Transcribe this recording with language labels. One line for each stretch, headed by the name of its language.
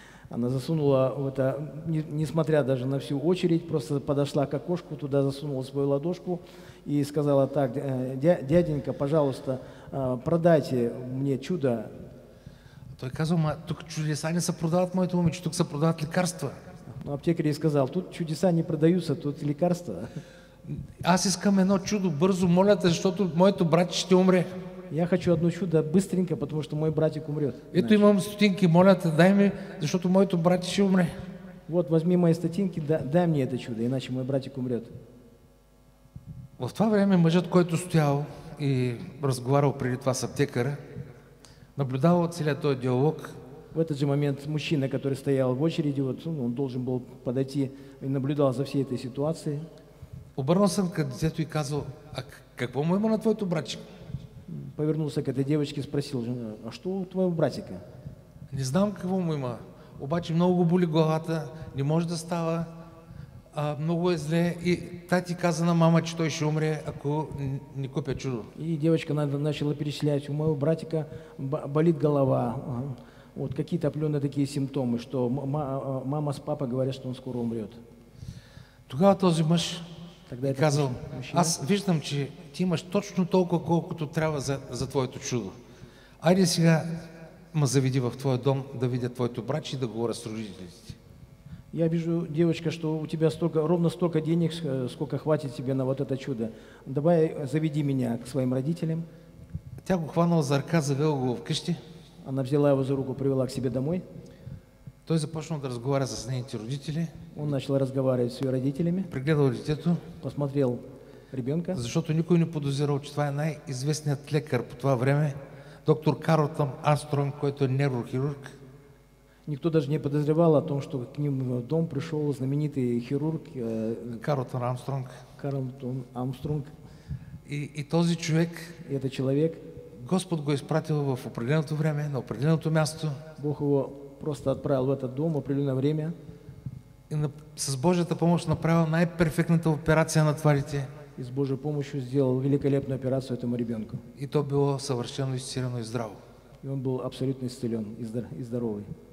Russian: Она засунула, несмотря даже на всю очередь, просто подошла к окошку, туда засунула свою ладошку и сказала так, дяденька, пожалуйста, продайте мне чудо.
Bulgarian: Той казал, тук чудеса не са продават моите момиче, тук са продават лекарства.
Russian: Но аптекарь ей сказал, тут чудеса не продаются, тут лекарства.
Bulgarian: Аз искам едно чудо, бързо моля те, защото моето братче ще умре.
Russian: Я хочу одно чудо быстренько, потому что мой братик умрет.
Bulgarian: Это имам стотинки, молят,
Russian: дай мне,
Bulgarian: защото моето братче умре.
Russian: Вот, возьми мои стотинки, дай мне это чудо, иначе мой братик умрет.
Bulgarian: В това время мъжът, който стоял и разговаривал преди това с аптекаря, наблюдал целият този диалог.
Russian: В этот же момент мужчина, который стоял в очереди, вот, он должен был подойти и наблюдал за всей этой ситуацией. Обернулся к детству
Bulgarian: и сказал, а какво му има на твоето братчик?
Russian: Повернулся к этой девочке и спросил, жена, а что у твоего братика?
Bulgarian: Не знам какво му има, обаче много го боли главата, не може да става, много е зле. И тати каза на мама, че той ще умре, ако не купя чудо.
Russian: И девочка начала перечислять, у моего братика болит голова. Вот какие-то определенные такие симптомы, что мама с папой говорят, что он скоро умрет.
Bulgarian: Тогава този мъж казал, мужчина, аз виждам, че ты имаш точно толкова, колкото трябва за твоето чудо. Айде сега ма заведи в твой дом, да видя твоето братче и да говоря с родителите.
Russian: Я вижу, девочка, что у тебя столько, ровно столько денег, сколько хватит тебе на вот это чудо. Давай заведи меня к своим родителям.
Bulgarian: Тя го хванала за ръка, завела го в къщи.
Russian: Она взяла его за руку, привела к себе домой.
Bulgarian: Той започнал да разговаря с нейните родители.
Russian: Он начал разговаривать с ее родителями.
Bulgarian: Пригледал детето.
Russian: Посмотрел ребенка.
Bulgarian: Защото никой не подозирал, че това е най-известният лекар по това време, доктор Карлтон Армстронг, който е неврохирург.
Russian: Никто даже не подозревал о том, что к ним в дом пришел знаменитый хирург.
Bulgarian: Карлтон Армстронг.
Russian: Карлтон Армстронг.
Bulgarian: И този човек.
Russian: И этот человек.
Bulgarian: Господ го изпратил в определеното време, на определеното място.
Russian: Бог его просто отправил в этот дом в определенное время.
Bulgarian: И с Божията помощ направил най-перфектната операция на това дете.
Russian: И с Божьей помощью сделал великолепную операцию этому ребенку. И то было совершенно исцелено и здраво. И он был абсолютно исцелен и здоровый.